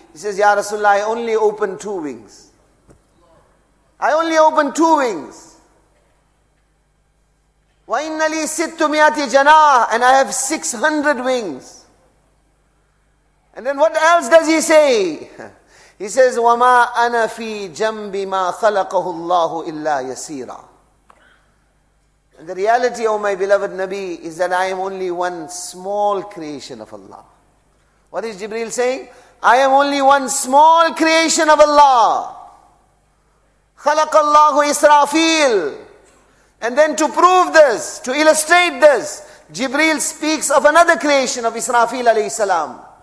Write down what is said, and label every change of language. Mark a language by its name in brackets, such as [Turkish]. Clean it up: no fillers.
[English] He says, Ya Rasulullah, I only opened two wings. [Arabic] وَإِنَّ لِي سِتُّ مِيَاتِ جَنَاهِ. [English] And I have 600 wings. And then what else does he say? He says, [Arabic] وَمَا أَنَا فِي جَنْبِ مَا خَلَقَهُ اللَّهُ إِلَّا يَسِيرًا. [English] And the reality, O my beloved Nabi, is that I am only one small creation of Allah. What is Jibreel saying? I am only one small creation of Allah. [Arabic] خَلَقَ اللَّهُ إِسْرَافِيلِ. [English] And then to prove this, to illustrate this, Jibreel speaks of another creation of Israfil alayhi salam.